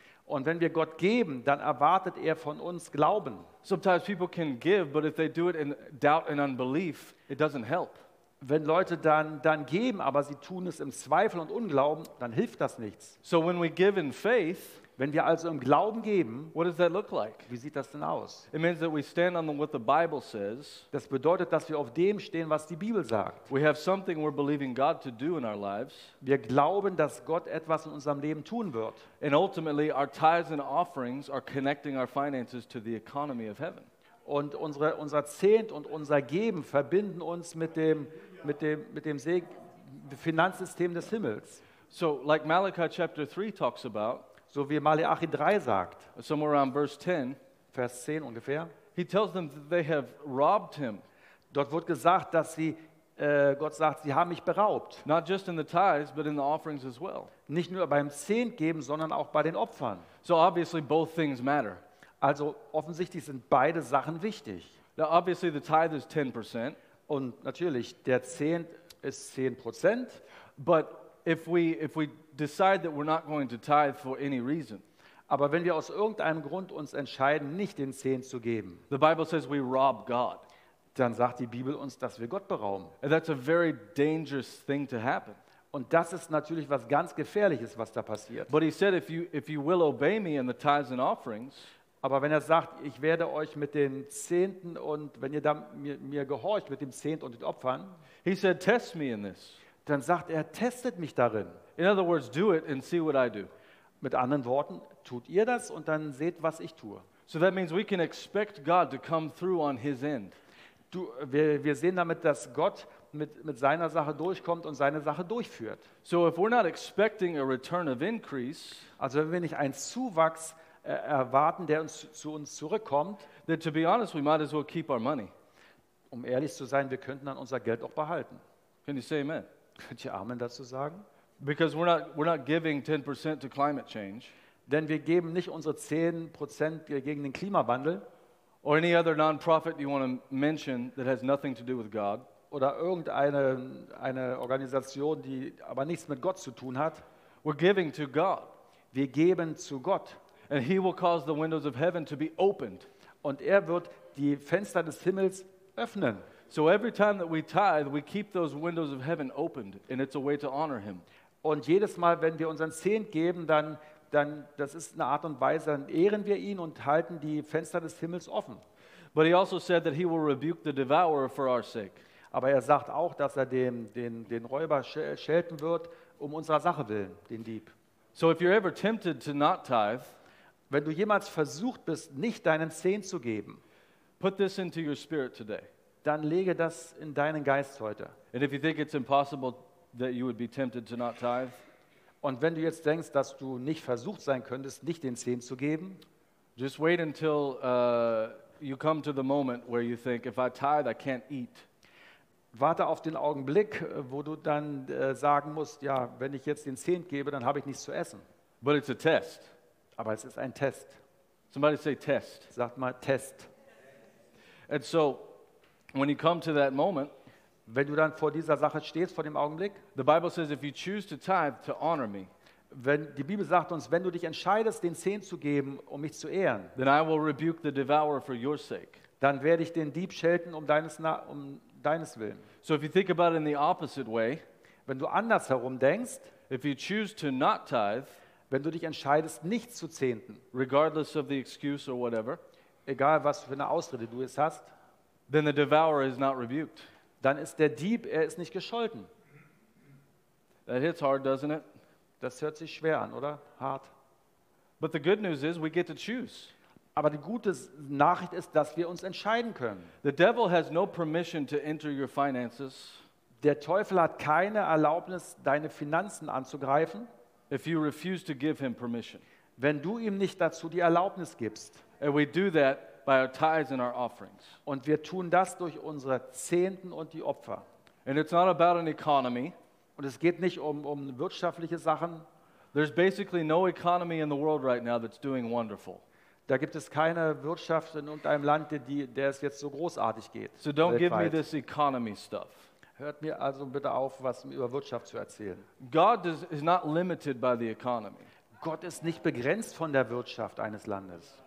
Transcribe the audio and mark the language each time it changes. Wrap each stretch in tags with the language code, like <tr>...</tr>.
<de>Und wenn wir Gott geben, dann erwartet er von uns Glauben.</de> <en>Sometimes people can give, but if they do it in doubt and unbelief, it doesn't help.</en> <de>Wenn Leute dann geben, aber sie tun es im Zweifel und Unglauben, dann hilft das nichts.</de> <en>So when we give in faith,</en> <de>wenn wir also im Glauben geben,</de> <en>what does that look like?</en> <de>Wie sieht das denn aus?</de> <en>It means that we stand on what the Bible says.</en> <de>Das bedeutet, dass wir auf dem stehen, was die Bibel sagt.</de> <en>We have something we're believing God to do in our lives.</en> <de>Wir glauben, dass Gott etwas in unserem Leben tun wird.</de> <en>And ultimately, our tithes and offerings are connecting our finances to the economy of heaven.</en> <de>Und unser Zehnt und unser Geben verbinden uns mit dem Finanzsystem des Himmels.</de> <en>So, like Malachi chapter 3 talks about.</en> <de>So wie Malachi 3 sagt,</de> <en>somewhere around verse 10,</en> <de>Vers 10 ungefähr,</de> <en>he tells them that they have robbed him.</en> <de>Dort wird gesagt, dass sie, Gott sagt, sie haben mich beraubt.</de> <en>Not just in the tithes, but in the offerings as well.</en> <de>Nicht nur beim Zehnt geben, sondern auch bei den Opfern.</de> <en>So obviously both things matter.</en> <de>Also offensichtlich sind beide Sachen wichtig.</de> <en>Now obviously the tithe is 10%.</en> <de>Und natürlich, der Zehnt ist 10%.</de> <en>But if we decide that we're not going to tithe for any reason.</en> <de>Aber wenn wir aus irgendeinem Grund uns entscheiden, nicht den Zehnt zu geben.</de> <en>The Bible says we rob God.</en> <de>Dann sagt die Bibel uns, dass wir Gott berauben.</de> <en>And that's a very dangerous thing to happen.</en> <de>Und das ist natürlich was ganz Gefährliches, was da passiert.</de> <en>But he said if you will obey me in the tithes and offerings,</en> <de>Aber wenn er sagt, ich werde euch mit den Zehnten und wenn ihr dann mir gehorcht mit dem Zehnten und den Opfern,</de> <en>he said, test me in this.</en> <de>Dann sagt er, testet mich darin.</de> <en>In other words, do it and see what I do.</en> <de>Mit anderen Worten, tut ihr das und dann seht, was ich tue.</de> <en>So that means we can expect God to come through on his end.</en> <de>Wir sehen damit, dass Gott mit seiner Sache durchkommt und seine Sache durchführt.</de> <en>So if we're not expecting a return of increase,</en> <de>also wenn wir nicht einen Zuwachs erwarten, der uns zu uns zurückkommt,</de> <en>then to be honest, we might as well keep our money.</en> <de>Um ehrlich zu sein, wir könnten dann unser Geld auch behalten.</de> <en>Can you say amen?</en> <de>Könnt ihr Amen dazu sagen?</de> <en>Because we're not giving 10% to climate change.</en> <de>Denn wir geben nicht unsere 10% gegen den Klimawandel.</de> <en>Or any other non-profit you want to mention that has nothing to do with God.</en> <de>Oder irgendeine Organisation, die aber nichts mit Gott zu tun hat.</de> <en>We're giving to God.</en> <de>Wir geben zu Gott.</de> <en>And he will cause the windows of heaven to be opened.</en> <de>Und er wird die Fenster des Himmels öffnen.</de> <en>So every time that we tithe, we keep those windows of heaven opened, and it's a way to honor him.</en> <de>Und jedes Mal, wenn wir unseren Zehnt geben, dann das ist eine Art und Weise, dann ehren wir ihn und halten die Fenster des Himmels offen.</de> <en>But he also said that he will rebuke the devourer for our sake.</en> <de>Aber er sagt auch, dass er den Räuber schelten wird um unserer Sache willen, den Dieb.</de> <en>So if you're ever tempted to not tithe,</en> <de>wenn du jemals versucht bist, nicht deinen Zehnt zu geben,</de> <en>put this into your spirit today.</en> <de>Dann lege das in deinen Geist heute.</de> <en>And if you think it's impossible that you would be tempted to not tithe,</en> <de>und wenn du jetzt denkst, dass du nicht versucht sein könntest, nicht den Zehnt zu geben,</de> <en>just wait until you come to the moment where you think, if I tithe, I can't eat.</en> <de>Warte auf den Augenblick, wo du dann sagen musst, ja, wenn ich jetzt den Zehnt gebe, dann habe ich nichts zu essen.</de> <en>But it's a test.</en> <de>Aber es ist ein Test.</de> <en>Somebody say test.</en> <de>Sag mal Test.</de> <en>And so, when you come to that moment,</en> <de>wenn du dann vor dieser Sache stehst, vor dem Augenblick,</de> <en>the Bible says, if you choose to tithe, to honor me,</en> <de>wenn die Bibel sagt uns, wenn du dich entscheidest, den Zehnt zu geben, um mich zu ehren,</de> <en>then I will rebuke the devourer for your sake.</en> <de>Dann werde ich den Dieb schelten um deines Willen.</de> <en>So if you think about it in the opposite way,</en> <de>wenn du andersherum denkst,</de> <en>if you choose to not tithe,</en> <de>wenn du dich entscheidest, nicht zu zehnten,</de> <en>regardless of the excuse or whatever,</en> <de>egal was für eine Ausrede du es hast,</de> <en>then the devourer is not rebuked.</en> <de>Dann ist der Dieb, er ist nicht gescholten.</de> <en>That hits hard, doesn't it?</en> <de>Das hört sich schwer an, oder? Hart.</de> <en>But the good news is, we get to choose.</en> <de>Aber die gute Nachricht ist, dass wir uns entscheiden können.</de> <en>The devil has no permission to enter your finances.</en> <de>Der Teufel hat keine Erlaubnis, deine Finanzen anzugreifen.</de> <en>If you refuse to give him permission.</en> <de>Wenn du ihm nicht dazu die Erlaubnis gibst.</de> <en>And we do that by our tithes and our offerings.</en> <de>Und wir tun das durch unsere Zehnten und die Opfer.</de> <en>And it's not about an economy.</en> <de>Und es geht nicht um wirtschaftliche Sachen.</de> <en>There's basically no economy in the world right now that's doing wonderful.</en> <de>Da gibt es keine Wirtschaft in irgendeinem Land, der es jetzt so großartig geht.</de> <en>So don't give me this economy stuff.</en> <de>Hört mir also bitte auf, was über Wirtschaft zu erzählen.</de> <en>God is not limited by the economy.</en> <de>Gott ist nicht begrenzt von der Wirtschaft eines Landes.</de>